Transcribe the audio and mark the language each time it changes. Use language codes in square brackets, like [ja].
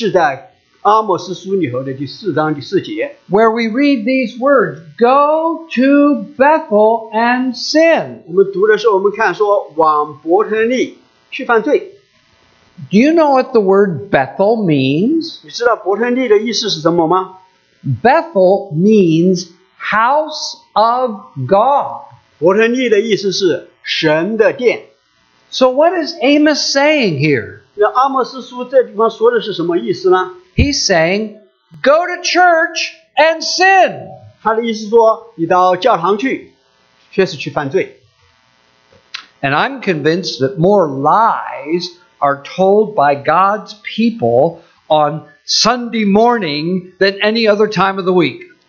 [zh] 事实上最强烈的一句呢，是在阿摩斯书里头的第4章第4节， [en] where we read these words, go to Bethel and sin. [zh] 我们读的时候，我们看说，往伯特利。去犯罪。 [en] Do you know what the word Bethel means? [zh] 你知道伯特利的意思是什么吗? [en] Bethel means house of God. [zh] 伯特利的意思是神的殿。 [en] So what is Amos saying here? [zh] 那阿摩斯书这地方说的是什么意思呢? [en] He's saying, go to church and sin. [zh] 他的意思说,你到教堂去,确实去犯罪。 [en] And I'm convinced that more lies are told by God's people on Sunday morning than any other time of the week.